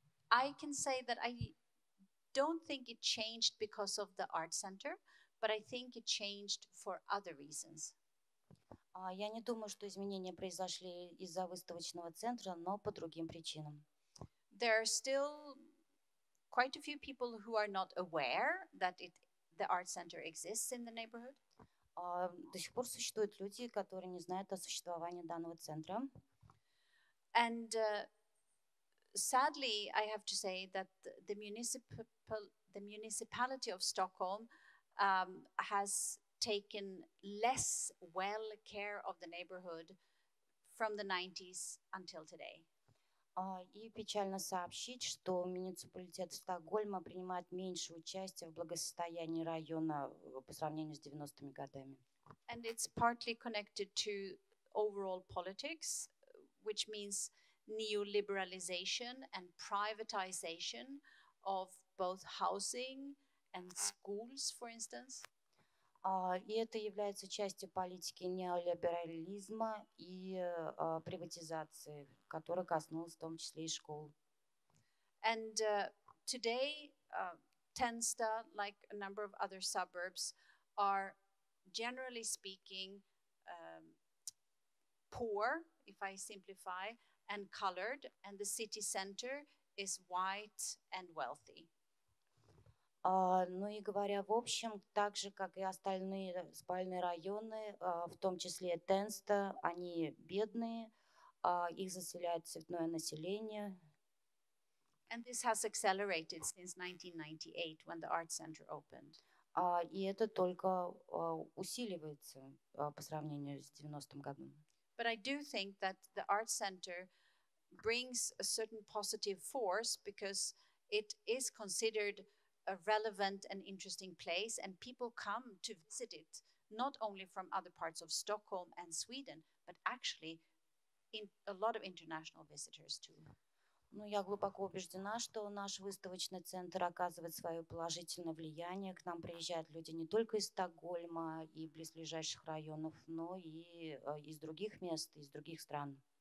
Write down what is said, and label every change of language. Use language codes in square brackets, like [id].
[en] I can say that I don't think it changed because of the art center, but I think it changed for other reasons. [ru] Я не думаю, что изменения произошли из-за выставочного центра, но по другим причинам. [en] There are still quite a few people who are not aware that the art center exists in the neighborhood. [ru] До сих пор существуют люди, которые не знают о существовании данного центра. [en] And sadly, I have to say that the municipality of Stockholm has taken less well care of the neighborhood from the 90s until today. [ru] И печально сообщить, что муниципалитет Стокгольма принимает меньше участия в благосостоянии района по сравнению с 90-ми годами. [en] And it's partly connected to overall politics, which means neoliberalization and privatization of both housing and schools, for instance. [ru] И это является частью политики неолиберализма и приватизации, которая коснулась в том числе и школ. [en] And today, Tensta, like a number of other suburbs, are generally speaking poor, if I simplify, and colored, and the city center is white and wealthy. [ru] Ну и говоря в общем, так же, как и остальные спальные районы, в том числе Тенста, они бедные, их заселяет цветное население. [en] And this has accelerated since 1998, when the art center opened. [ru] И это только усиливается по сравнению с 90-м годом. [en] But I do think that the art center brings a certain positive force because it is considered a relevant and interesting place, and people come to visit it not only from other parts of Stockholm and Sweden, but actually in a lot of international visitors too. [ru] Ну, я глубоко убеждена, что наш выставочный центр оказывает свое положительное влияние. К нам приезжают люди не только из Стокгольма и близлежащих районов, но и из других мест, из других стран.